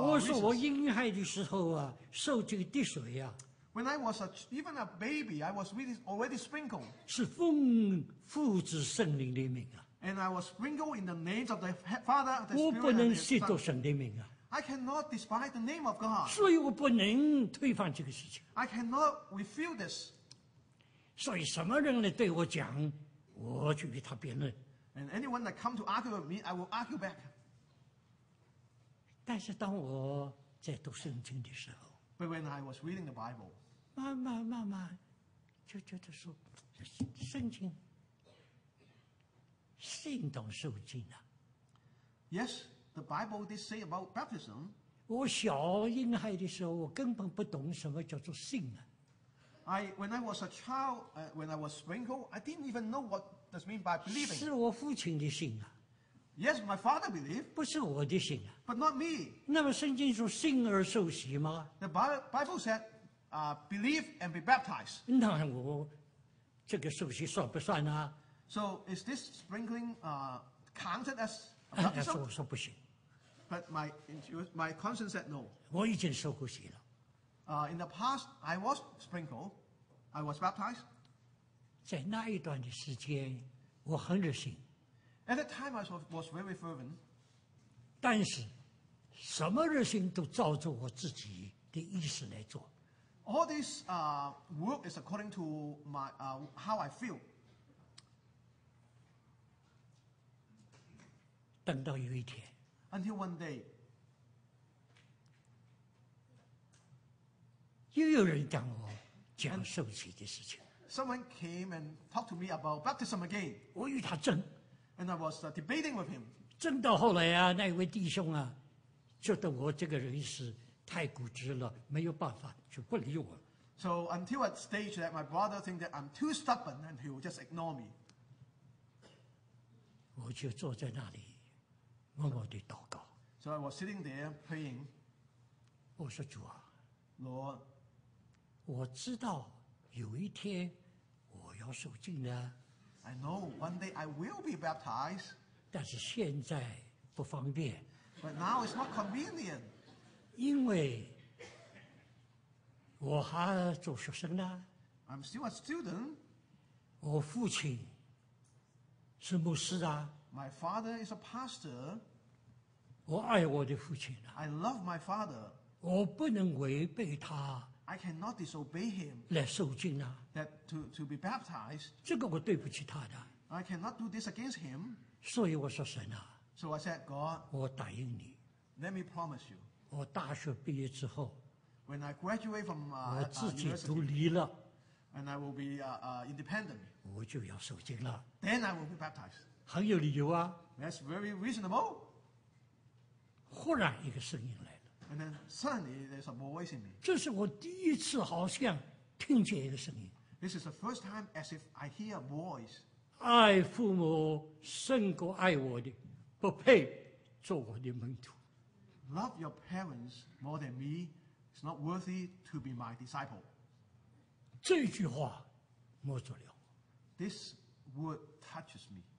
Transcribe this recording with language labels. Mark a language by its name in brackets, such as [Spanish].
[Chinese] 我说我婴孩的时候啊，受这个滴水啊。 [English] When I was even a baby, I was really already sprinkled. [Chinese] 是奉父子圣灵的名啊。 [English] And I was sprinkled in the names of the Father, the Spirit, and the Son. [Chinese] 我不能亵渎神的名啊。 [English] I cannot despise the name of God. [Chinese] 所以我不能推翻这个事情。 [English] I cannot refute this. [Chinese] 所以什么人来对我讲，我就与他辩论。 [English] And anyone that come to argue with me, I will argue back. [Chinese] 但是当我在读圣经的时候。 [English] But when I was reading the Bible, [Chinese] 慢慢就觉得说，圣经，信道受浸啊。 [English] Yes, the Bible did say about baptism. [Chinese] 我小婴孩的时候，我根本不懂什么叫做信啊。 [English] When I was a child, when I was sprinkled, I didn't even know what does mean by believing. [Chinese] 是我父亲的信啊。 [English] Yes, my father believed. [Chinese] 不是我的信啊。 [English] But not me. [Chinese] 那么圣经说信而受洗吗 [English] ？The Bible said, believe and be baptized. [Chinese] 那我这个受洗算不算呢 [English] ？So is this sprinkling counted as [Chinese] baptism? 我说不行。 [English] But my conscience said no. [Chinese] 我已经受过洗了。 [English] In the past, I was sprinkled. I was baptized. [Chinese] 在那一段的时间，我很热心。 [English] At that time, I was very fervent. [Chinese] 但是，什么热心都照着我自己的意思来做。 [English] All this work is according to my how I feel. [Chinese] 等到有一天。 [English] Until one day. [Chinese] 又有人讲我讲受洗的事情。 [English] Someone came and talked to me about baptism again. [Chinese] 我与他争。 [English] And I was debating with him. [Chinese] 争到后来啊，那位弟兄啊，觉得我这个人是太固执了，没有办法，就不理我。 [English] So until a stage that my brother think that I'm too stubborn, and he will just ignore me. [Chinese] 我就坐在那里，默默地祷告。 [English] So I was sitting there praying. [Chinese] 我说主啊 [English] ，Lord， [Chinese] 我知道有一天我要受浸呢。 [English] I know one day I will be baptized. [Chinese] 但是现在不方便。 [English] But now it's not convenient. [Chinese] 因为我还做学生呢。 [English] I'm still a student. [Chinese] 我父亲是牧师啊。 [English] My father is a pastor. [Chinese] 我爱我的父亲啊。 [English] I love my father. [Chinese] 我不能违背他。 [English] I cannot disobey him. [Chinese] 来受浸啊。 [English] That to be baptized. [Chinese] 这个我对不起他的。 [English] I cannot do this against him. [Chinese] 所以我说神啊。 [English] So I said, God. [Chinese] 我答应你。 [English] Let me promise you. [Chinese] 我大学毕业之后。 [English] When I graduate from [Chinese] university. 我自己独立了。 [English] And I will be independent. [Chinese] 我就要受浸了。 [English] Then I will be baptized. [Chinese] 很有理由啊。 [English] That's very reasonable. [Chinese] 忽然一个声音来。 [English] And then suddenly there's a voice in me. [Chinese] 这是我第一次好像听见一个声音。 [English] This is the first time as if I hear a voice. [Chinese] 爱父母胜过爱我的，不配做我的门徒。 [English] Love your parents more than me. It's not worthy to be my disciple. [Chinese] 这句话摸着了。 [English] This word touches me.